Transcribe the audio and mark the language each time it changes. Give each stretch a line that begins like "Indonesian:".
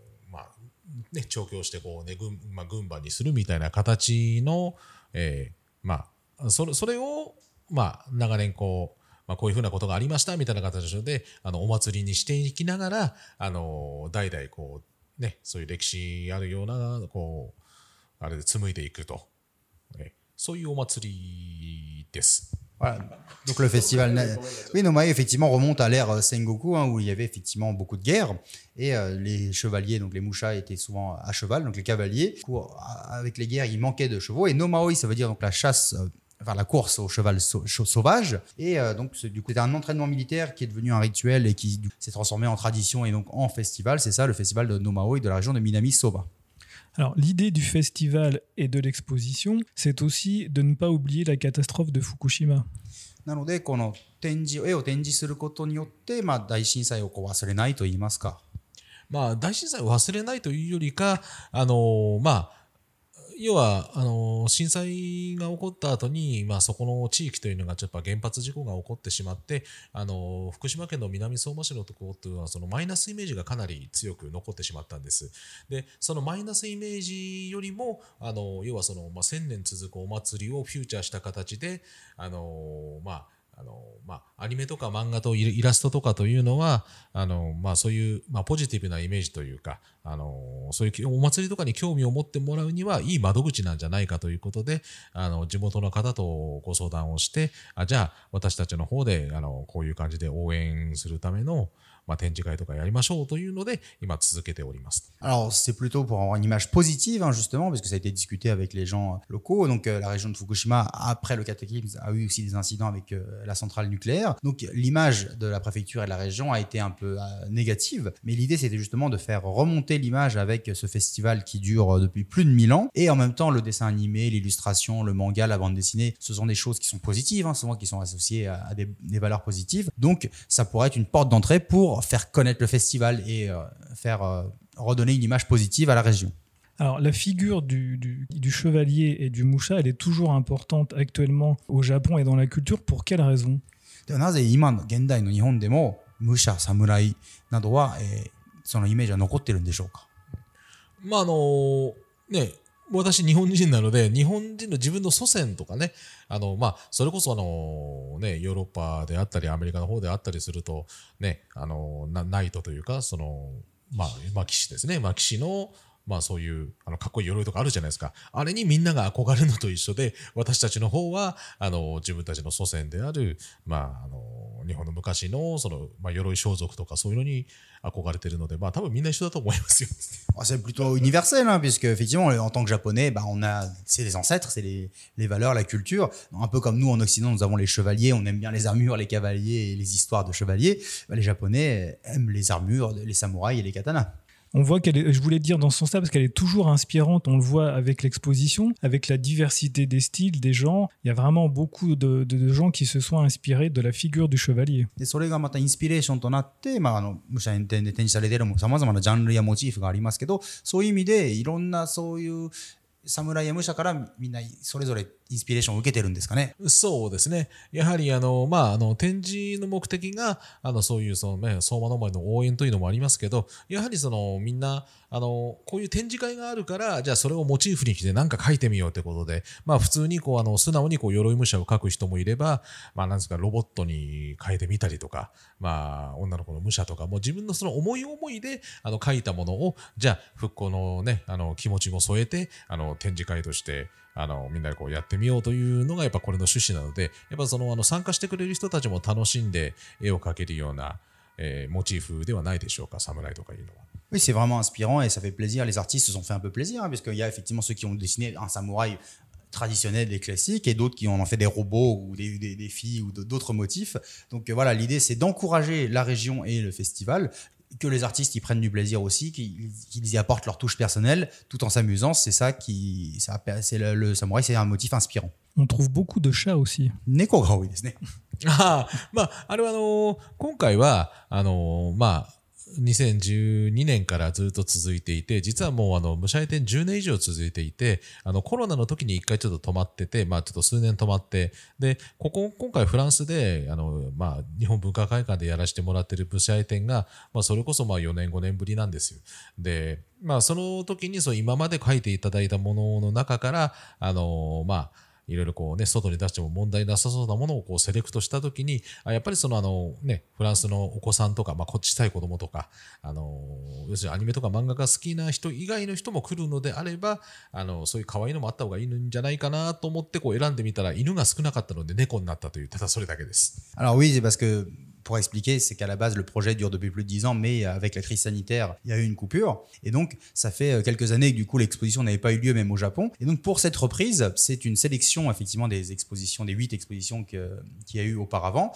Japanese: まあね、調教してこう、ね、まあ、軍馬にするみたいな形の、まあ、それを、まあ、長年こう、まあ、こういうふうなことがありましたみたいな形で、あのお祭りにしていきながら、代々こう、ね、そういう歴史あるようなこうあれで紡いでいくと、そういうお祭りです。
French: Voilà. Donc le festival oui, Nomae effectivement remonte à l'ère Sengoku hein, où il y avait effectivement beaucoup de guerres et les chevaliers, donc les mushas étaient souvent à cheval, donc les cavaliers. Du coup, avec les guerres, il manquait de chevaux et Nomaoi, ça veut dire donc la chasse, enfin la course au cheval sauvage. Et donc c'est, du coup, c'était un entraînement militaire qui est devenu un rituel et qui s'est transformé en tradition et donc en festival. C'est ça le festival de Nomaoi de la région de Minami-Soba. Alors, l'idée du festival et de l'exposition, c'est aussi de ne pas oublier la catastrophe de Fukushima.
Japanese: なので、この展示、絵を展示することによって、まあ、大震災をこう忘れないと言いますか。まあ、大震災を忘れないというよりか、あの、まあ、要は、あの、震災が起こった後に、まあ、そこの地域というのが、ちょっと原発事故が起こってしまって、あの、福島県の南相馬市のところというのは、そのマイナスイメージがかなり強く残ってしまったんです。で、そのマイナスイメージよりも、あの、要はその、まあ、千年続くお祭りをフューチャーした形で、あの、まあ、あの、まあ、アニメとか漫画とイラストとかというのは、あの、まあ、そういう、まあ、ポジティブなイメージというか、あの、そういうお祭りとかに興味を持ってもらうには、いい窓口なんじゃないかということで、あの、地元の方とご相談をして、あ、じゃあ、私たちの方で、あの、こういう感じで応援するための、まあ、展示会とかやりましょうというので、今続けております。
French: Alors, c'est plutôt pour avoir une image positive, hein, justement, parce que ça a été discuté avec les gens locaux. Donc, la région de Fukushima, après le cataclysme, a eu aussi des incidents avec la centrale nucléaire. Donc, l'image de la préfecture et de la région a été un peu négative. Mais l'idée, c'était justement de faire remonter l'image avec ce festival qui dure depuis plus de 1000 ans. Et en même temps, le dessin animé, l'illustration, le manga, la bande dessinée, ce sont des choses qui sont positives, hein, souvent qui sont associées à des valeurs positives. Donc, ça pourrait être une porte d'entrée pour faire connaître le festival et faire redonner une image positive à la région. Alors, la figure du chevalier et du moucha, elle est toujours importante actuellement au Japon et dans la culture. Pour quelle raison ?
Japanese: なぜ今の現代の日本でも武者、侍などはそのイメージは残ってるんでしょうか？まあ、あの、ね、私日本人なので、日本人の自分の祖先とかね、あの、まあ、それこそあの、ね、ヨーロッパであったり、アメリカの方であったりすると、ね、あの、ナイトというか、その、まあ、騎士ですね、まあ、騎士の、まあ、そういう、あの、かっこいい鎧とかあるじゃないですか。あれにみんなが憧れるのと一緒で、私たちの方は、あの、自分たちの祖先である、まあ、あの、日本の昔の、その、まあ、鎧装束とか、そういうのに憧れてるので、まあ、多分みんな一緒だと思いますよ。
French: C'est plutôt universel, hein, puisque effectivement, en tant que japonais, bah, on a, c'est les ancêtres, c'est les valeurs, la culture. Un peu comme nous, en Occident, nous avons les chevaliers, on aime bien les armures, les cavaliers et les histoires de chevaliers. Bah, les japonais aiment les armures, les samouraïs et les katanas. On voit qu'elle est, je voulais dire dans ce sens-là, parce qu'elle est toujours inspirante, on le voit avec l'exposition, avec la diversité des styles, des genres. Il y a vraiment beaucoup de gens qui se sont inspirés de la figure du chevalier. Et ça a été inspiration pour nous, mais le musha est en train de se faire, il y a des genres et des motifs, mais dans ce sens, il y a beaucoup de samouraïs et musha qui ont inspiré chacun.
Japanese: インスピレーションを受けてるんですかね。そうですね。やはりあのまああの展示の目的があのそういうそのね相馬の前の応援というのもありますけど、やはりそのみんなあのこういう展示会があるからじゃあそれをモチーフにして何か書いてみようってことで、まあ普通にこうあの素直にこう鎧武者を書く人もいれば、まあなんですかロボットに変えてみたりとか、まあ女の子の武者とかも自分のその思い思いであの書いたものをじゃあ復興のねあの気持ちも添えてあの展示会として。あのみんなでこうやってみようというのがやっぱこれの趣旨なので、やっぱそのあの参加してくれる人たちも楽しんで絵を描けるような、モチーフではないでしょうか、侍とかいうのは。
French: Oui, c'est vraiment inspirant et ça fait plaisir. Les artistes se sont fait un peu plaisir, hein, parce qu'il y a effectivement ceux qui ont dessiné un samouraï traditionnel et classique et d'autres qui ont en fait des robots ou des filles ou d'autres motifs. Donc voilà, l'idée c'est d'encourager la région et le festival. Que les artistes y prennent du plaisir aussi, qu'ils y apportent leur touche personnelle, tout en s'amusant, c'est ça qui, c'est le samouraï, c'est un motif inspirant. On trouve beaucoup de chats aussi.
Japanese: Neko ga desu ne.
French: Ah, bah, alors,
Japanese: 今回は、まあ、 2012年からずっと続いていて、実はもう武者絵展10年以上続いていて、コロナの時に一回ちょっと止まってて、まあちょっと数年止まって、で、今回フランスで、まあ日本文化会館でやらせてもらってる武者絵展が、まあそれこそまあ4年5年ぶりなんですよ。で、まあその時に今まで書いていただいたものの中から、まあ、いろいろこうね、外に出しても問題なさそうなものをこうセレクトしたときに、やっぱりね、フランスのお子さんとか、まあ、こっちたい子供とか、要するにアニメとか漫画が好きな人以外の人も来るのであれば、そういう可愛いのもあった方がいいんじゃないかなと思って、こう選んでみたら、犬が少なかったので猫になったという、ただそれだけです。
French: Alors, oui, c'est parce que... Pour expliquer, c'est qu'à la base, le projet dure depuis plus de 10 ans, mais avec la crise sanitaire, il y a eu une coupure. Et donc, ça fait quelques années que du coup, l'exposition n'avait pas eu lieu, même au Japon. Et donc, pour cette reprise, c'est une sélection, effectivement, des expositions, des 8 expositions qu'il y a eu auparavant.